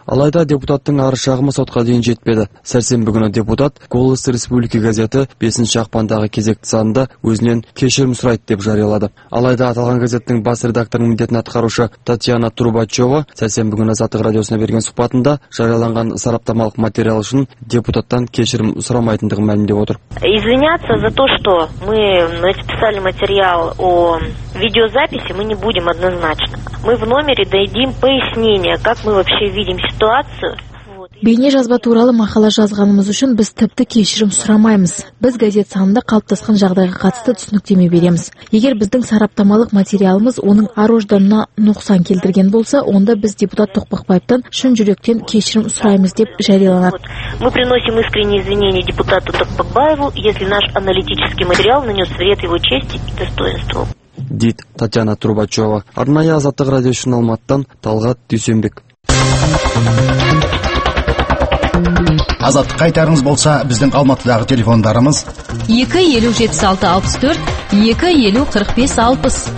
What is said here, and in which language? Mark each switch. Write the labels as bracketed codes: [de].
[kk] Алайда депутаттың арыз-шағымы сотқа дейін жетпеді. Сәрсенбі күні депутат «Голос Республики» газеті 5-ші ақпандағы кезекті санында өзінен кешірім сұрайды деп жариялады. Алайда аталған газеттің бас редакторының міндетін атқарушы Татьяна Трубачева сәрсенбі күні Азаттық радиосына берген сұхбатында жарияланған сараптамалық материал үшін депутаттан кешірім сұрамайтындығын мәлімдеп отыр. [ru] Извиняться за то, что мы написали материал о видеозаписи, мы не будем однозначно. Мы в номере дадим пояснение, как мы вообще видим ситуацию. [kk] Бейне жазба туралы мақала жазғанымыз үшін біз тіпті кешірім сұрамаймыз. Біз газет санында қалыптасқан жағдайға қатысты түсініктеме береміз. Егер біздің сараптамалық материалымыз оның ар-ожданына нұқсан келтірген болса, онда біз депутат Тоқпақбаевтан шын жүректен кешірім сұраймыз деп жарияланады. [ru] Мы приносим искренние извинения депутату Тоқпақбаеву, если наш аналитический материал нанес вред его чести и достоинству. [kk] Дит Татьяна Трубачева, арнайы Азаттық радио үшін Алматыдан Талғат Дүйсенбек. Азат, қайтарыңыз болса, біздің Алматыдағы телефондарымыз 257664 250456.